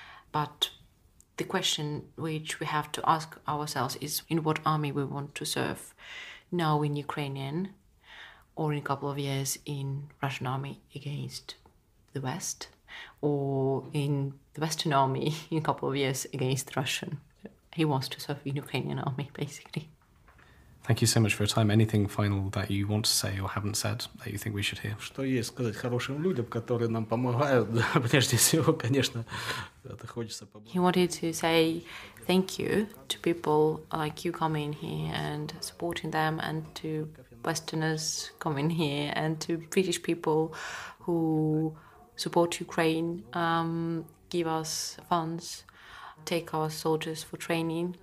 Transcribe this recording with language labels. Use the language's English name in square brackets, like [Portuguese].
[English] But the question which we have to ask ourselves is in what army we want to serve, now in Ukrainian or in a couple of years in Russian army against the West, or in the Western army in a couple of years against Russian. He wants to serve in Ukrainian army, basically. Thank you so much for your time. Anything final that you want to say or haven't said that you think we should hear? [Russian] Что есть сказать хорошим людям, которые нам помогают? Прежде всего, конечно, это хочется помочь. [English] He wanted to say thank you to people like you coming here and supporting them, and to Westerners coming here, and to British people who support Ukraine, give us funds, take our soldiers for training.